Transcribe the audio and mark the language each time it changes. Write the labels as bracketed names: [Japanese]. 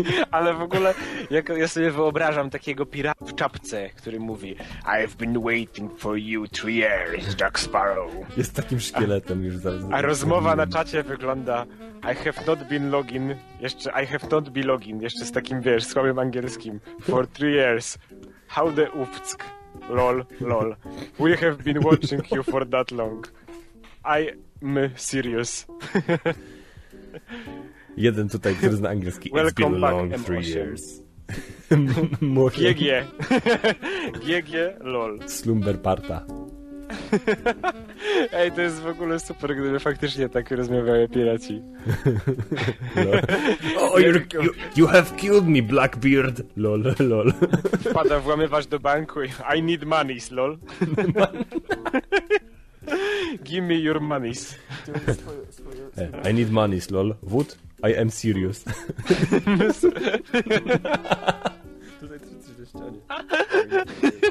[Polish] Ale w ogóle jak ja sobie wyobrażam takiego pirata w czapce, który mówi: [English] I've been waiting for you 3 years, Jack Sparrow. [Polish] Jest takim szkieletem już zaraz. A rozmowa na czacie wygląda: [English] I have not been login. [Polish] Jeszcze z takim, wiesz, słabym angielskim. [English] For 3 years. How the ufck. Lol. We have been watching you for that long. I'm serious. [Polish] Jeden tutaj, który zna angielski. [English] Welcome it's been back, long three years. GG. GG, lol. Slumber parta. [Polish] Ej, to jest w ogóle super, gdyby faktycznie tak rozmawiały piraci. No. [English] Oh, you have killed me, Blackbeard. Lol. [Polish] Wpada włamywacz do banku. [English] I need monies, lol. Give me your monies. I need monies, lol. What? I am serious. [Polish] Tutaj trzy ścianie. Przepraszam.